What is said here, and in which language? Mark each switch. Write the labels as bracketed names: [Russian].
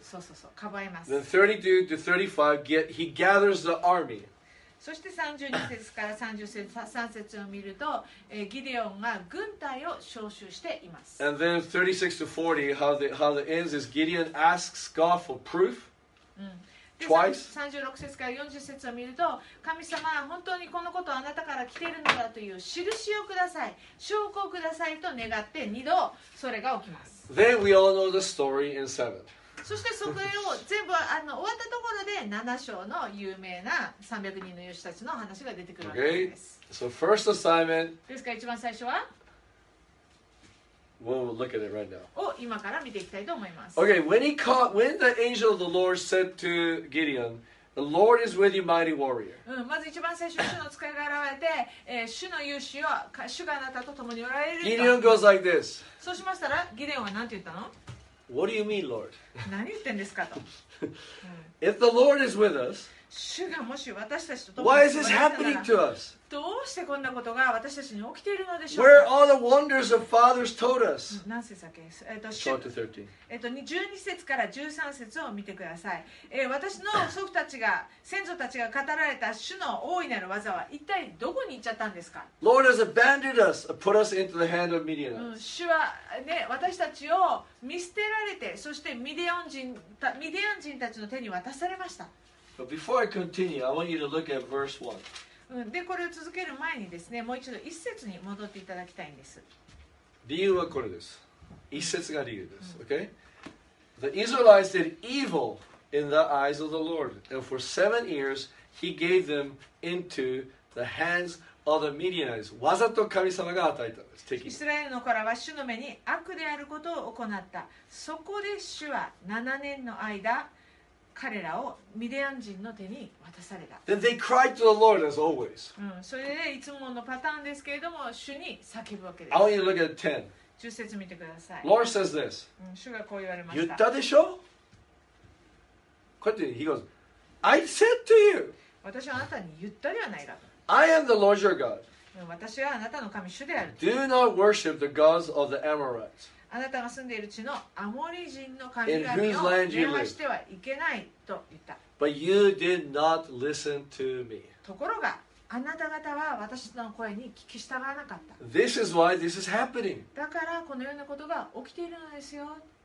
[Japanese] そうそうそう、かばいます。 [English] Then 32 to 35, he gathers the army. [Japanese] そして32節から33節を見ると、ギデオンが軍隊を招集しています。 [English] And then 36 to 40, how the ends is Gideon asks God for proof. [Japanese] 36節から40節を見ると神様は本当にこのことあなたから来ているのだという印をください、証拠をくださいと願って2度それが起きます。 [English] Then we all know the story in 7. [Japanese] そしてそこを全部終わったところで7章の有名な300人の勇士たちの話が出てくるわけです。 [English] Okay. So first assignment. [Japanese] ですから一番最初は [English] We'll look at it right now. [Japanese] を今から見ていきたいと思います。 [English] Okay, when he caught, when the angel of the Lord said to Gideon, "The Lord is with you, mighty warrior." [Japanese] まず一番最初、主の使いが現れて、主の勇士を主があなたと共におられると。 [English] Gideon goes like this. [Japanese] そうしましたら、ギデオンは何て言ったの？ [English] What do you mean, Lord? [Japanese] 何言ってんですかと。 [English] If the Lord is with us, [Japanese] 主がもし私たちと共にいるならば、 [English] Why is this happening to us? [Japanese] どうしてこんなことが私たちに起きているのでしょうか。 [English] Where are all the wonders of fathers told us? [Japanese] 何節だっけ？ 12 節から13節を見てください。私の祖父たちが、先祖たちが語られた主の大いなる技は一体どこに行っちゃったんですか。 [English] Lord has abandoned us, put us into the hand of Midianites. [Japanese] 主はね、私たちを見捨てられて、そしてミディアン人たちの手に渡されました。 [English] But before I continue, I want you to look at verse 1. [Japanese] で、これを続ける前にですね、もう一度一節に戻っていただきたいんです。理由はこれです。一節が理由です。Okay? [English] The Israelites did evil in the eyes of the Lord, and for 7 years he gave them into the hands of the Midianites. [Japanese] わざと神様が与えたんです。イスラエルの子らは主の目に悪であることを行った。そこで主は7年の間、彼らをミディアン人の手に渡された。 [English] Then they cried to the Lord as always. [Japanese] うん、それでいつものパターンですけれども、主に叫ぶわけです。 [English] I want you to look at 10. [Japanese] 十節見てください。 [English] Lord says this. [Japanese] 主がこう言われました。言ったでしょ？こうやって、 [English] He goes, I said to you. [Japanese] 私はあなたに言ったではないかと。 [English] I am the Lord your God. [Japanese] 私はあなたの神主である。 [English] Do not worship the gods of the Amorites. [Japanese] あなたが住んでいる地のアモリ人の神々を見逃してはいけないと言った。 [English] But you did not listen to me. [Japanese] ところがあなた方は私の声に聞き従わなかった。 [English] This is why this is happening. [Japanese] だからこのようなことが起きているのですよ。